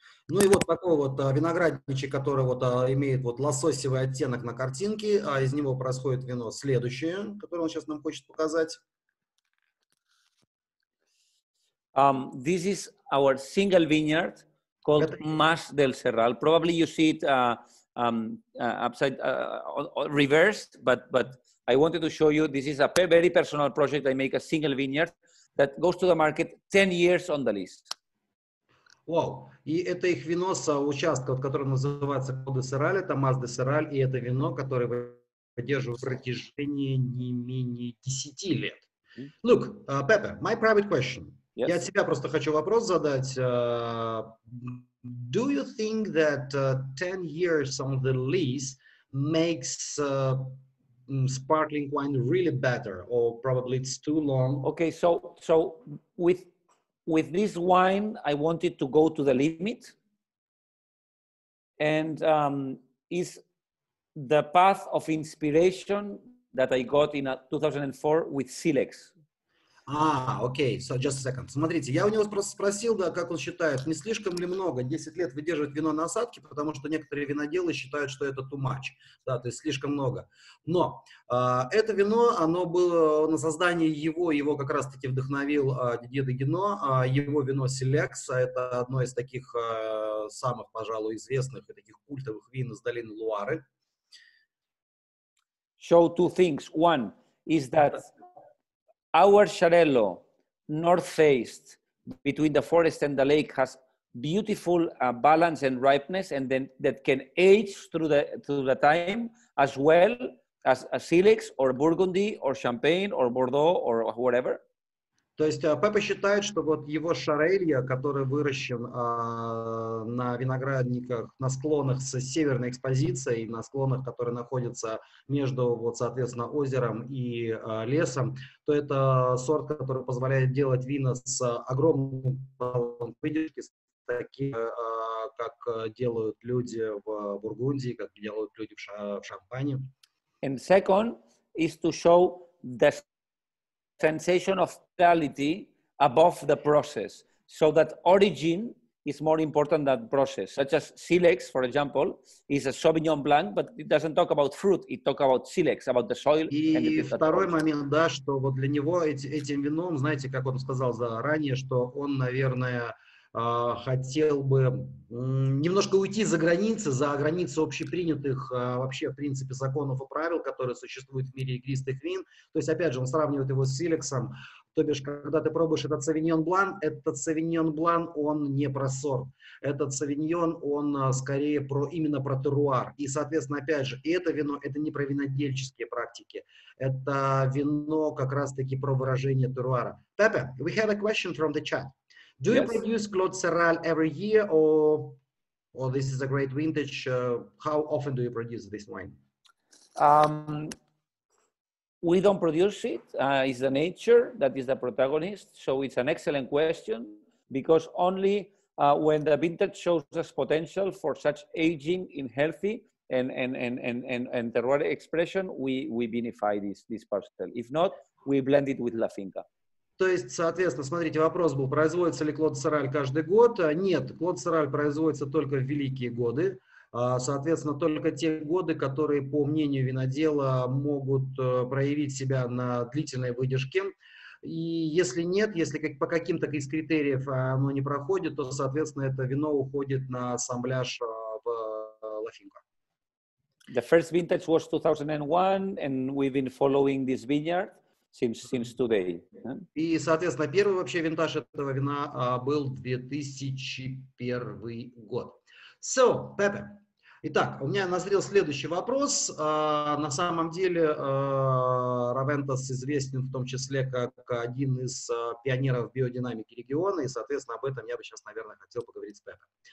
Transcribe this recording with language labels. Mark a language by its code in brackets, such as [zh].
[ru] Ну и вот такой вот виноградничек, который вот имеет вот лососевый оттенок на картинке, а из него происходит вино следующее, которое он сейчас нам хочет показать. [en] This is our single vineyard called Mas del Serral. Probably you see it reversed, but I wanted to show you, this is a very personal project. I make a single vineyard that goes to the market 10 years on the list. Wow. [ru] И это их вино с участка, который называется Коды Сераль, это Мас де Сераль, и это вино, которое поддерживают в протяжении не менее 10 лет. [en] Look, Pepe, my private question. Yes. [ru] Я от себя просто хочу вопрос задать. [en] Do you think that 10 years on the list makes sparkling wine really better, or probably it's too long? Okay, so with this wine, I wanted to go to the limit, and is the path of inspiration that I got in 2004 with Silex. Окей, so just a second. [ru] Смотрите, я у него просто спросил, да, как он считает, не слишком ли много 10 лет выдерживать вино на осадке, потому что некоторые виноделы считают, что это [en] too much, [ru] да, то есть слишком много. Но это вино, оно было на создание его, его как раз-таки вдохновил Дидье Дегино, его вино Селекса, это одно из таких самых, пожалуй, известных и таких культовых вин из долины Луары. [en] So two things. One is that our Shalello, north-faced, between the forest and the lake, has beautiful balance and ripeness, and then that can age through the time, as well as a Silex, or Burgundy, or Champagne, or Bordeaux, or whatever. [ru] То есть Пепе считает, что вот его Шарелья, который выращен на виноградниках, на склонах с северной экспозицией, на склонах, которые находятся между, вот, соответственно, озером и лесом, то это сорт, который позволяет делать вина с огромным баллом выдержки, такие, как делают люди в Бургундии, как делают люди в Шампане. [en] And second is to show the sensation of quality above the process, so that origin is more important than process. Such as Silex, for example, is a Sauvignon Blanc, but it doesn't talk about fruit. It talks about Silex, about the soil. [ru] И второй момент, да, что вот для него этим вином, знаете, как он сказал заранее, что он, наверное, хотел бы немножко уйти за границы общепринятых вообще, в принципе, законов и правил, которые существуют в мире игристых вин. То есть, опять же, он сравнивает его с Силексом. То бишь, когда ты пробуешь этот Sauvignon Blanc, он не про сорт. Этот Sauvignon, он скорее про именно про терруар. И, соответственно, опять же, это вино, это не про винодельческие практики. Это вино как раз-таки про выражение терруара. [en] Пепе, we had a question from the chat. Do you produce Claude Serral every year, or this is a great vintage? How often do you produce this wine? We don't produce it. It's the nature that is the protagonist. So it's an excellent question, because only when the vintage shows us potential for such aging in healthy and terroir expression, we vinify this parcel. If not, we blend it with La Finca. [ru] То есть, соответственно, смотрите, вопрос был, производится ли Клод Сераль каждый год? Нет, Клод Сераль производится только в великие годы. Соответственно, только те годы, которые, по мнению винодела, могут проявить себя на длительной выдержке. И если нет, если по каким-то из критериев оно не проходит, то, соответственно, это вино уходит на ассамбляж в La Finca. [en] The first vintage was 2001, and we've been following this vineyard. Since today. [ru] И, соответственно, первый вообще винтаж этого вина был 2001 год. [en] So, Pepe. [ru] Итак, у меня назрел следующий вопрос. На самом деле, Raventos известен в том числе как один из пионеров биодинамики региона, и, соответственно, об этом я бы сейчас, наверное, хотел поговорить с Pepe.